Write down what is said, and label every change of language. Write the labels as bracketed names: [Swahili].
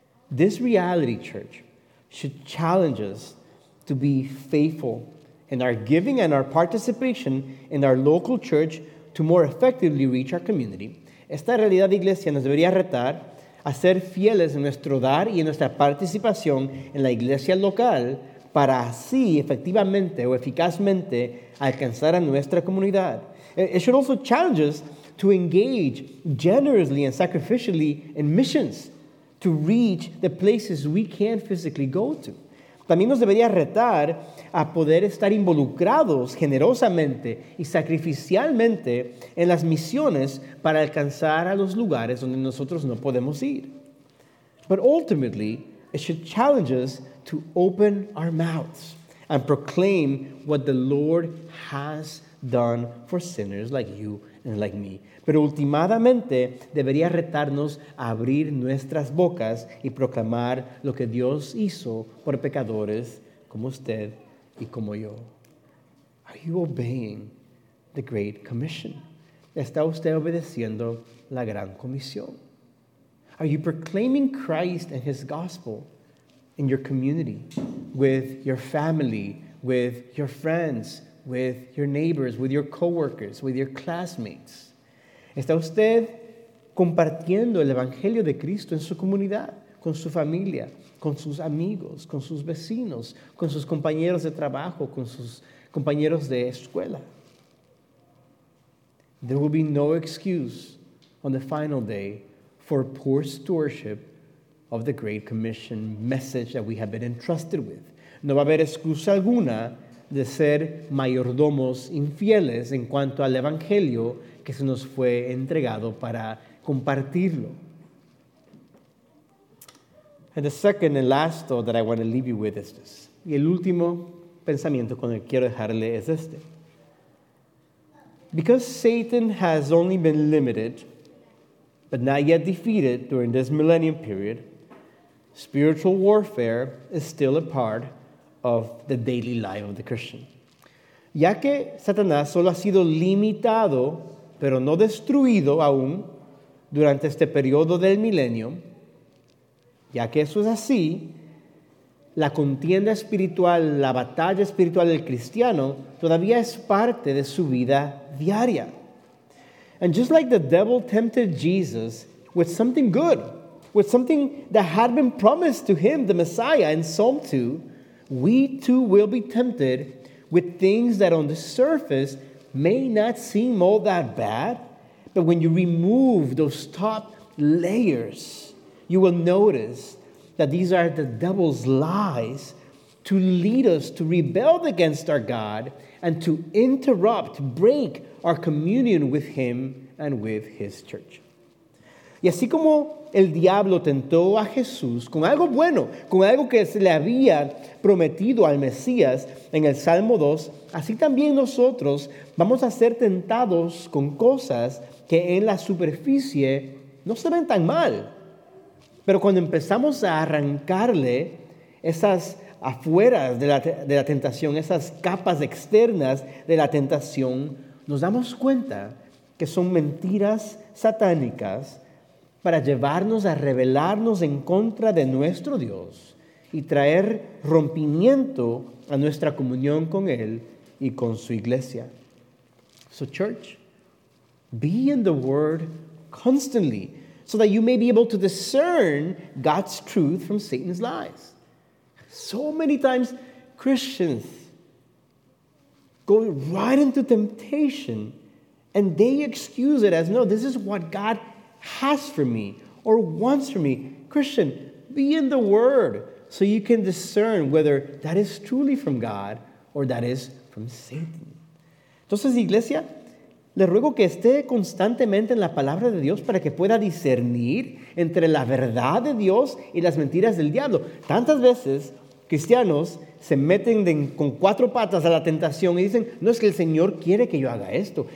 [English] This reality, church, should challenge us to be faithful in our giving and our participation in our local church to more effectively reach our community. [Spanish] Esta realidad de iglesia nos debería retar a ser fieles en nuestro dar y en nuestra participación en la iglesia local para así efectivamente o eficazmente alcanzar a nuestra comunidad. [English] It should also challenge us to engage generously and sacrificially in missions to reach the places we can't physically go to. [Spanish] También nos debería retar a poder estar involucrados generosamente y sacrificialmente en las misiones para alcanzar a los lugares donde nosotros no podemos ir. [English] But ultimately, it should challenge us to open our mouths and proclaim what the Lord has done for sinners like you and like me. [Spanish] Pero últimamente debería retarnos a abrir nuestras bocas y proclamar lo que Dios hizo por pecadores como usted y como yo. [English] Are you obeying the Great Commission? [Spanish] ¿Está usted obedeciendo la Gran Comisión? [English] Are you proclaiming Christ and his gospel in your community, with your family, with your friends, with your neighbors, with your coworkers, with your classmates? [Spanish] ¿Está usted compartiendo el evangelio de Cristo en su comunidad, con su familia, con sus amigos, con sus vecinos, con sus compañeros de trabajo, con sus compañeros de escuela. [English] There will be no excuse on the final day for poor stewardship of the Great Commission message that we have been entrusted with. [Spanish] No va a haber excusa alguna de ser mayordomos infieles en cuanto al evangelio que se nos fue entregado para compartirlo. [English] And the second and last thought that I want to leave you with is this. [Spanish] Y el último pensamiento con el que quiero dejarle es este. [English] Because Satan has only been limited, but not yet defeated during this millennium period, spiritual warfare is still a part of the daily life of the Christian. [Spanish] Ya que Satanás solo ha sido limitado, pero no destruido aún, durante este periodo del milenio, ya que eso es así, la contienda espiritual, la batalla espiritual del cristiano, todavía es parte de su vida diaria. [English] And just like the devil tempted Jesus with something good, with something that had been promised to him, the Messiah, in Psalm 2, we too will be tempted with things that on the surface may not seem all that bad, but when you remove those top layers, you will notice that these are the devil's lies to lead us to rebel against our God and to interrupt, break our communion with him and with his church. [Spanish] Y así como el diablo tentó a Jesús con algo bueno, con algo que se le había prometido al Mesías en el Salmo 2, así también nosotros vamos a ser tentados con cosas que en la superficie no se ven tan mal. Pero cuando empezamos a arrancarle esas afueras de la tentación, esas capas externas de la tentación, nos damos cuenta que son mentiras satánicas para llevarnos a rebelarnos en contra de nuestro Dios y traer rompimiento a nuestra comunión con Él y con su iglesia. [English] So church, be in the Word constantly, so that you may be able to discern God's truth from Satan's lies. So many times Christians go right into temptation and they excuse it as, no, this is what God has for me or wants for me. Christian, be in the Word so you can discern whether that is truly from God or that is from Satan. [Spanish] Entonces, iglesia, le ruego que esté constantemente en la palabra de Dios para que pueda discernir entre la verdad de Dios y las mentiras del diablo. Tantas veces cristianos se meten con cuatro patas a la tentación y dicen, no es que el Señor quiere que yo haga esto.